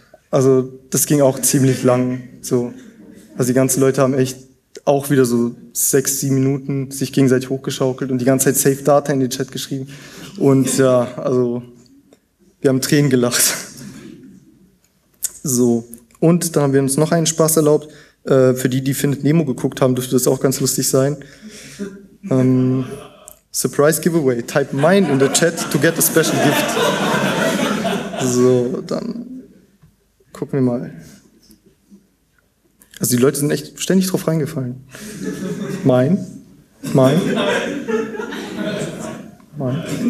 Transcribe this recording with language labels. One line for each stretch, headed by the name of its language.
German: Also, das ging auch ziemlich lang. So. Also, die ganzen Leute haben echt auch wieder so 6-7 Minuten sich gegenseitig hochgeschaukelt und die ganze Zeit Save Data in den Chat geschrieben. Und ja, also, wir haben Tränen gelacht. So. Und dann haben wir uns noch einen Spaß erlaubt. Für die, die Findet Nemo geguckt haben, dürfte das auch ganz lustig sein.
English: Surprise Giveaway. Type mine in the chat to get a special gift.
German: So, dann gucken wir mal. Also die Leute sind echt ständig drauf reingefallen.
English: Mine. Mine. Mine.